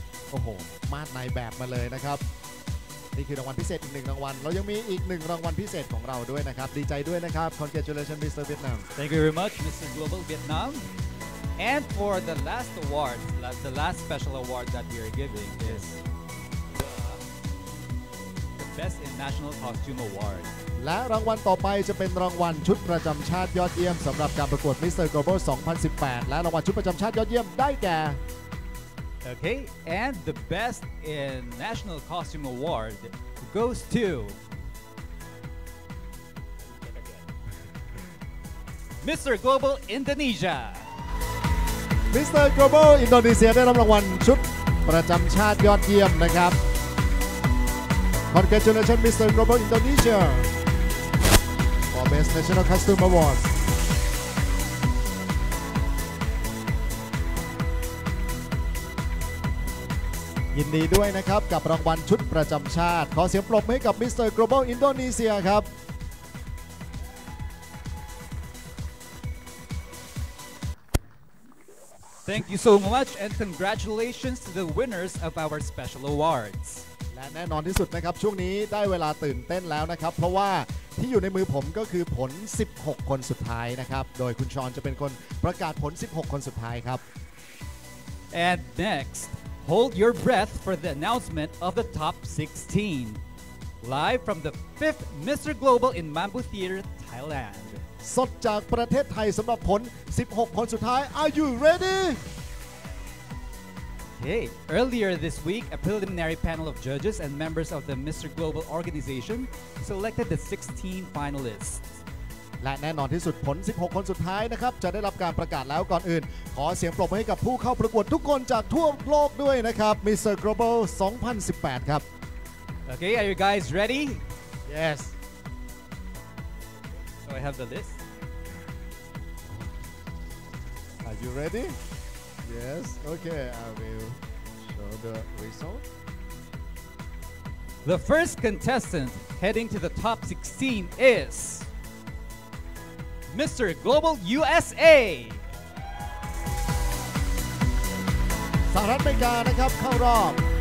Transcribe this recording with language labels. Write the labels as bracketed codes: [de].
[th] โอ้โหมาตรนายแบบมาเลยนะครับนี่คือรางวัลพิเศษอีกหนึ่งรางวัลเรายังมีอีกหนึ่งรางวัลพิเศษของเราด้วยนะครับดีใจด้วยนะครับ [en] Congratulations [th] Mr. [en] Vietnam Thank you very much Mr. Global Vietnam And for the last award the last special award that we are giving is the Best in National Costume Award [th] และรางวัลต่อไปจะเป็นรางวัลชุดประจำชาติยอดเยี่ยมสำหรับการประกวด Mr. Global 2018และรางวัลชุดประจำชาติยอดเยี่ยมได้แก่ [en] Okay, and the best in National Costume Award goes to Mr. Global Indonesia. Mr. Global Indonesia ได้รับรางวัลชุดประจำชาติยอดเยี่ยมนะครับ Congratulations, Mr. Global Indonesia for Best National Costume Award. [th] ยินดีด้วยนะครับกับรางวัลชุดประจำชาติขอเสียงปรบมือให้กับมิสเตอร์ Global Indonesia ครับ ขอบคุณ [en] so much and congratulations to the winners of our special awards [th] และแน่นอนที่สุดนะครับช่วงนี้ได้เวลาตื่นเต้นแล้วนะครับเพราะว่าที่อยู่ในมือผมก็คือผล16คนสุดท้ายนะครับโดยคุณชอนจะเป็นคนประกาศผล16คนสุดท้ายครับ [en] and nextHold your breath for the announcement of the top 16. Live from the 5th Mr. Global in Mambu Theater, Thailand. [th] สดจากประเทศไทยสำหรับผล16คนสุดท้าย [en] Are you ready? Okay. Earlier this week, a preliminary panel of judges and members of the Mr. Global organization selected the 16 finalists. [th] และแน่นอนที่สุดผล16คนสุดท้ายนะครับจะได้รับการประกาศแล้วก่อนอื่นขอเสียงปรบมือให้กับผู้เข้าประกวดทุกคนจากทั่วโลกด้วยนะครับ Mr. Global 2018ครับ [en] Okay, are you guys ready? Yes So I have the list You ready? Yes. Okay, I will show the result. The first contestant heading to the top 16 is Mr. Global USA. [th] สหรัฐอเมริกานะครับเข้ารอบ